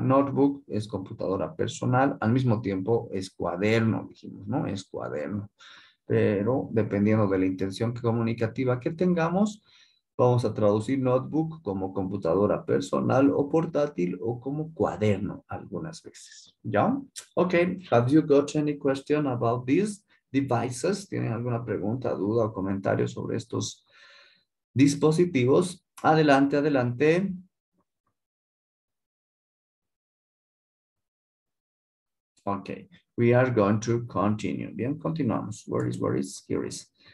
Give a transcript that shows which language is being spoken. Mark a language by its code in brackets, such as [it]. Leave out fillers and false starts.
[es] Notebook es computadora personal, al mismo tiempo es cuaderno, dijimos, ¿no? Es cuaderno. Pero dependiendo de la intención comunicativa que tengamos, vamos a traducir notebook como computadora personal o portátil o como cuaderno algunas veces. ¿Ya? Ok. [en] Have you got any question about these devices? [es] ¿Tienen alguna pregunta, duda o comentario sobre estos dispositivos? Adelante, adelante. [en] Ok. We are going to continue. [es] Bien, continuamos. [en] Where is? Here is.